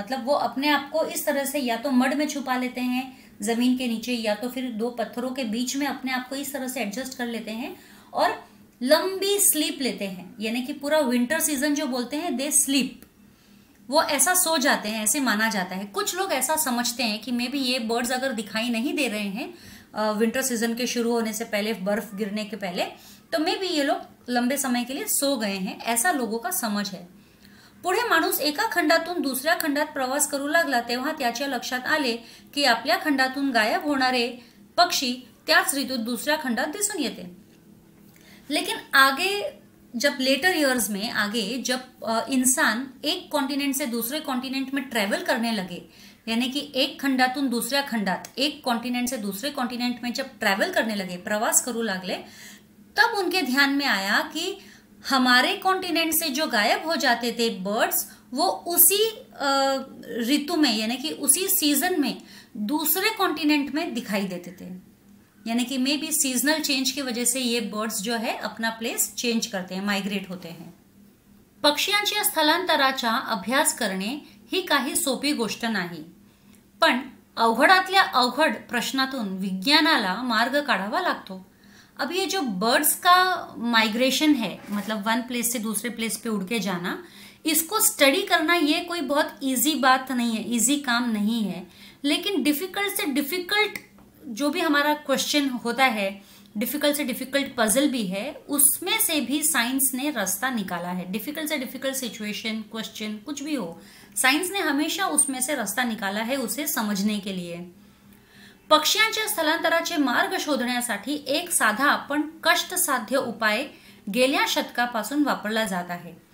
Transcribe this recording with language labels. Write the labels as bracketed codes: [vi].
[hi] मतलब वो अपने आप को इस तरह से या तो मड में छुपा लेते हैं जमीन के नीचे, या तो फिर दो पत्थरों के बीच में अपने आप को इस तरह से एडजस्ट कर लेते हैं और लंबी स्लीप लेते हैं, यानी कि पूरा विंटर सीजन जो बोलते हैं दे स्लीप, वो ऐसा सो जाते हैं, ऐसे माना जाता है। कुछ लोग ऐसा समझते हैं कि मे बी ये बर्ड्स अगर दिखाई नहीं दे रहे हैं विंटर सीजन के शुरू होने से पहले, बर्फ गिरने के पहले, तो मे बी ये लोग लंबे समय के लिए सो गए हैं, ऐसा लोगों का समझ है। [mr] पुढे माणूस एका खंडातून दुसऱ्या खंडात प्रवास करू लागला तेव्हा त्याच्या लक्षात आले की आपल्या खंडातून गायब होणारे पक्षी त्याच ऋतूत दुसऱ्या खंडात दिसून येते। [hi] लेकिन आगे जब लेटर इयर्स में आगे जब इंसान एक कॉन्टिनेंट से दूसरे कॉन्टिनेंट में ट्रैवल करने लगे, यानी कि [mr] एक खंडातून दूसरा खंडात, [hi] एक कॉन्टिनेंट से दूसरे कॉन्टिनेंट में जब ट्रैवल करने लगे, [mr] प्रवास करू लागले, [hi] तब उनके ध्यान में आया कि हमारे कॉन्टिनेंट से जो गायब हो जाते थे बर्ड्स, वो उसी ऋतु में यानी कि उसी सीजन में दूसरे कॉन्टिनेंट में दिखाई देते थे। यानी कि मे बी सीजनल चेंज की वजह से ये बर्ड्स जो है अपना प्लेस चेंज करते हैं, माइग्रेट होते हैं। [mr] पक्षियांच्या स्थलांतराचा अभ्यास करणे ही काही सोपी गोष्ट नाही, पण अवघडातल्या अवघड प्रश्नातून विज्ञानाला मार्ग काढावा लागतो। [hi] अब ये जो बर्ड्स का माइग्रेशन है, मतलब वन प्लेस से दूसरे प्लेस पे उड़ के जाना, इसको स्टडी करना ये कोई बहुत इजी बात नहीं है, इजी काम नहीं है। लेकिन डिफिकल्ट से डिफिकल्ट जो भी हमारा क्वेश्चन होता है, डिफिकल्ट से डिफिकल्ट पजल भी है, उसमें से भी साइंस ने रास्ता निकाला है। डिफिकल्ट से डिफिकल्ट सिचुएशन, क्वेश्चन, कुछ भी हो, साइंस ने हमेशा उसमें से रास्ता निकाला है उसे समझने के लिए। [mr] पक्षियांच्या स्थलांतराचे मार्ग शोधण्यासाठी एक साधा पण कष्टसाध्य उपाय गेल्या शतकापासून वापरला जात आहे।